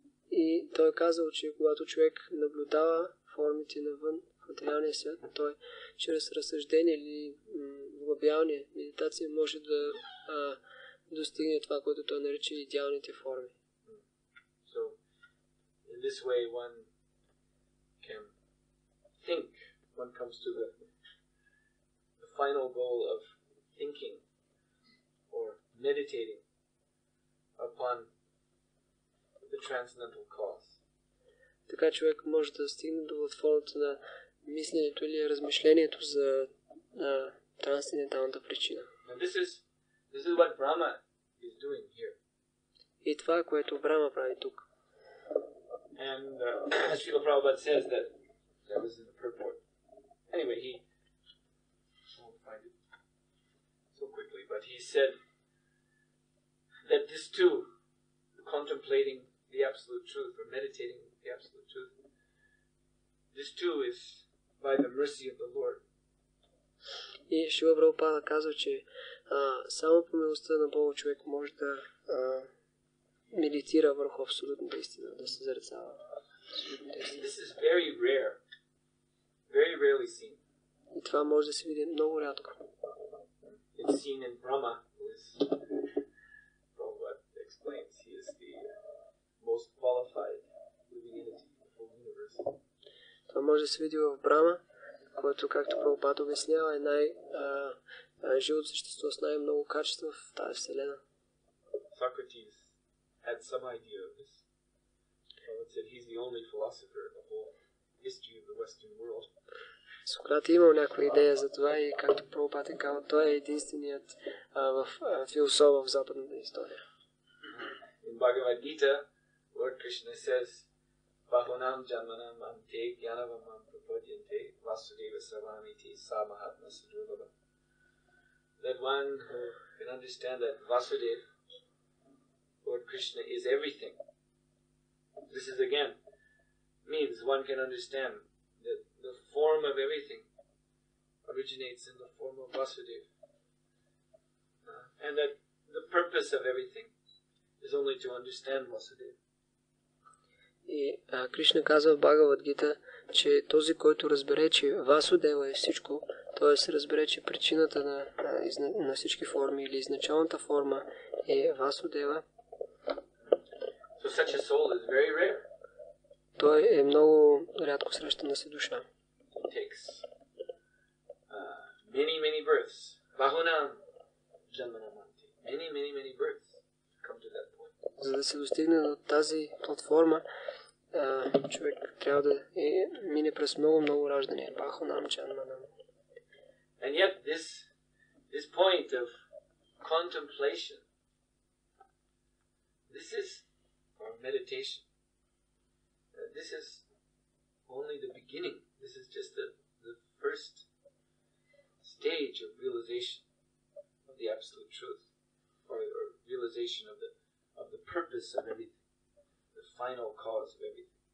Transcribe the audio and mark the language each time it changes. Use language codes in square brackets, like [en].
[bg] И той казал, че когато човек наблюдава формите навън в материалния свят, той чрез разсъждение или вглъбяване, медитация, може да достигне това, което той нарича идеалните форми. [en] So, in this way one can think, one comes to the final goal of thinking or meditating upon the transcendental cause. [bg] Така човек може да стигне до формата на мисленето или размишлението за трансценденталната причина. [en] And this is what Brahma is doing here. [bg] И това, което Брама прави тук. [en] And as Srila Prabhupada says that that was in the purport. Anyway, he won't find it so quickly, but he said that this too, contemplating the absolute truth or meditating the absolute truth, this too is by the mercy of the Lord. [bg] И Шрила Прабхупада казва, че само по милостта на Бога човек може да медитира върху абсолютната истина, да се зарецава. [en] This is very rare. Very rarely seen. [bg] И това може да се види много рядко. [en] It's seen in Brahma, who is Prabhupada explains, he is the most qualified living entity in the whole universe. [bg] Това може да се види в Брама, който, както Прабхупада обяснява, е живото същество с най-много качества в тази вселена. [en] Socrates had some idea of this. Prabhupada said he's the only philosopher in the whole history of the Western world. [bg] Сократ имал някаква идея за това и, както Прабхупада е казал, той е единственият философ в западната история. [en] In Bhagavad Gita, Lord Krishna says, [sa] Bahunam janmanam ante gyanavam ampropodyante vasudeva savamiti sa mahatma sadurvabha. [en] That one who can understand that Vasudeva, Lord Krishna, is everything. This is again, means one can understand that the form of everything originates in the form of Vasudeva. And that the purpose of everything is only to understand Vasudeva. [bg] И Кришна казва в Бхагавад Гита, че този, който разбере, че Васудева е всичко, т.е. разбере, че причината на всички форми или изначалната форма е Васудева. [en] So such a soul is very rare. [bg] Той е много рядко срещана си душа. [en] It takes many, many births. [sa] Bahunam janmanamanti. [en] Many, many, many births come to that point. [bg] За да се достигне до тази платформа, човек трябва да мине през много-много раждане. [sa] Бахунам, чанманам. [en] And yet this point of contemplation, this is our meditation. This is only the beginning. This is just the first stage of realization of the absolute truth or realization of the purpose of everything, the final cause of everything.